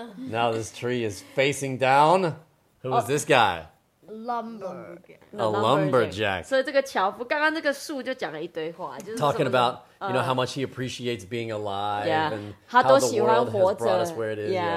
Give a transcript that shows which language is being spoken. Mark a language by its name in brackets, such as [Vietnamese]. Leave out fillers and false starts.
[English] Now this tree is facing down Who is this guy? A lumberjack [Chinese] 所以这个樵夫刚刚那个树就讲了一堆话 [English] Talking about you know how much he appreciates being alive and how the world has brought us where it is